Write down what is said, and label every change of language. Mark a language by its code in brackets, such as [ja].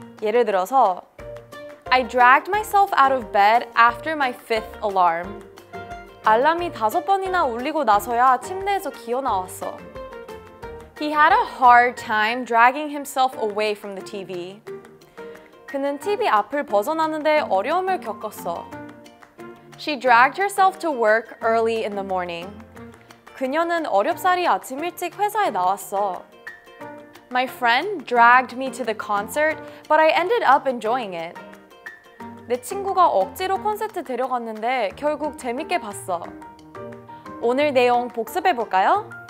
[en] 예를 들어서 I dragged myself out of bed after my fifth alarm. [ko] 알람이 다섯 번이나 울리고 나서야 침대에서 기어나왔어. [en] He had a hard time dragging himself away from the TV. [ko] 그는 TV 앞을 벗어나는데 어려움을 겪었어. [en] She dragged herself to work early in the morning. [ko] 그녀는 어렵사리 아침 일찍 회사에 나왔어. [en] My friend dragged me to the concert, but I ended up enjoying it. [ko] 내 친구가 억지로 콘서트 데려갔는데 결국 재밌게 봤어. 오늘 내용 복습해 볼까요?